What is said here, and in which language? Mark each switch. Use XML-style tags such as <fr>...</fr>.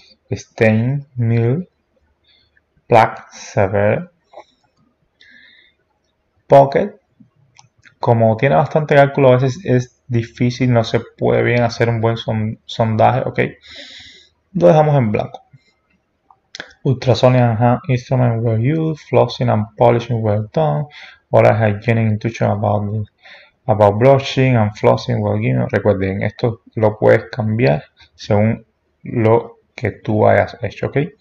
<en>Stain mild, plaque severe.</en> <es>Pocket, como tiene bastante cálculo, a veces es difícil, no se puede bien hacer un buen sondaje, ok. Lo dejamos en blanco.</es> <en>Ultrasonic and hand instruments were used, flossing and polishing were done, oral hygiene intuition about brushing and flossing were given.</en> <es>Recuerden, esto lo puedes cambiar según lo que tú hayas hecho, ¿ok?</es>